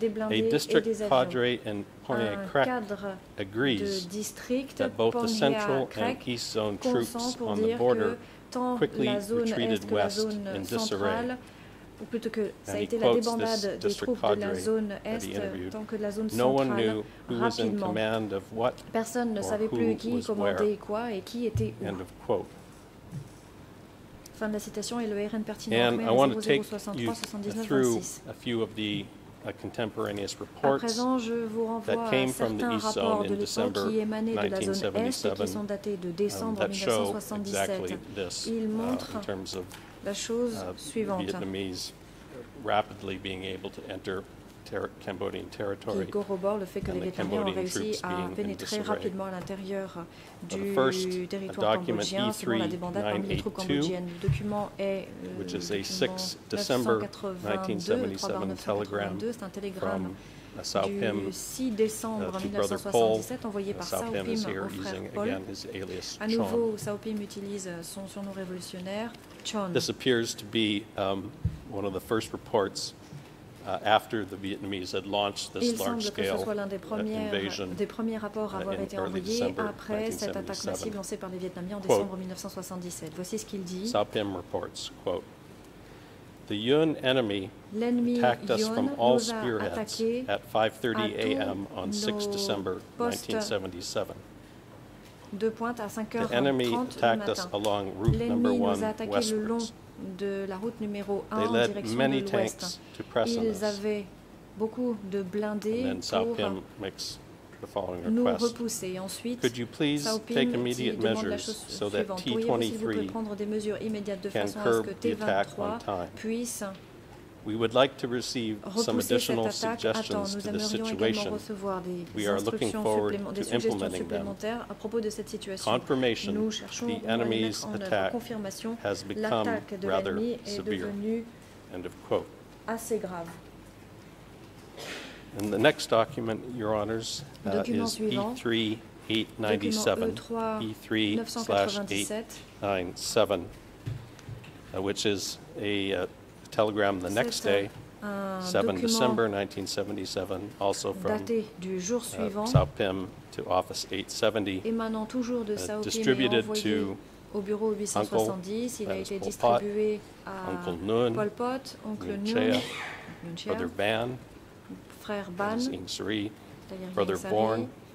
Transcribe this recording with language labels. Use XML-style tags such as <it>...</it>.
<en>A district cadre in Pohnyang Krek agrees that both the central and east zone troops on the border quickly retreated west in disarray.</en> <fr>Ou plutôt que ça a été la débandade des troupes de la zone Est tant que de la zone centrale, rapidement. Personne ne savait plus qui commandait quoi et qui était où. Fin de la citation et le RN pertinent en 00-63-79-26.</fr> <en>A contemporaneous report that came from the East Zone in December 1977 that show exactly this in terms of Vietnamese rapidly being able to enter Cambodian territory and the Cambodian troops being in disarray. The first document E3-982, which is a 6 December 1977 telegram from Sao Pim to Brother Paul. Sao Pim is here using again his alias Chon.</en> <fr>À nouveau, Sao Pim utilise son surnom révolutionnaire, Chon.</fr> <en>This appears to be one of the first reports after the Vietnamese had launched this large-scale invasion</en> <fr>des premiers rapports à avoir été envoyés après cette attaque massive lancée par les Vietnamiens en décembre 1977. Voici ce qu'il dit.</fr> <en>Sao Pim reports, quote, "The Yun enemy attacked us from all spearheads at 5:30 a.m. on 6 December 1977. The enemy attacked us along route number one westwards.</en> <fr>De la route numéro 1 en direction de l'ouest. Ils avaient beaucoup de blindés pour nous repousser. Et ensuite, Sao Pim demande la chose suivante. Pourriez-vous, s'il vous plaît, prendre des mesures immédiates de façon à ce que T-23 puisse</fr> <en>We would like to receive some additional suggestions to this situation. We are looking forward to implementing them. Confirmation, the enemy's attack has become rather severe. End of quote.</en> <fr>Assez grave.</fr> <en>And the next document, Your Honors, is E3-897, which is a telegram the next day, 7 December 1977, also from</en> <fr>daté du jour suivant,</fr> <en>Sao Pim to Office 870,</en> <fr>émanant toujours de Sao Pim,</fr> <en>distributed to</en> <fr>au bureau 870, il a été distribué à</fr> <en>Uncle Nguyen,</en> <fr>Pol Pot, Oncle</fr> <en>Nguyen, Brother Ban,</en> <fr>Frère Ban,</fr> <en>Ying Sri, Brother Born,</en>